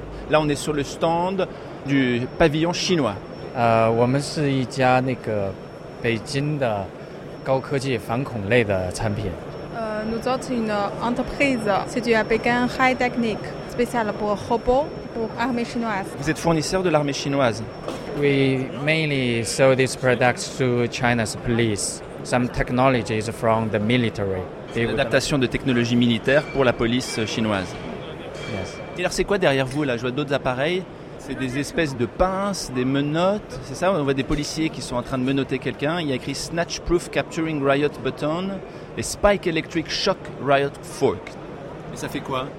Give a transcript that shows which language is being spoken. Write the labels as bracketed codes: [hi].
[fr] Là, on est sur le stand du pavillon chinois. Nous sommes une entreprise située à Pékin, High Technique, spéciale pour robots, pour l'armée chinoise. Vous êtes fournisseur de l'armée chinoise. [en] We mainly sell these products to China's police. Some technologies from the military. [fr] C'est une adaptation de technologies militaires pour la police chinoise. [en] Yes. [fr] Et alors, c'est quoi derrière vous là? Je vois d'autres appareils. C'est des espèces de pinces, des menottes, c'est ça? On voit des policiers qui sont en train de menotter quelqu'un. Il y a écrit « [en] Snatch Proof Capturing Riot Button [fr] » et « [en] Spike Electric Shock Riot Fork [fr] ». Et ça fait quoi?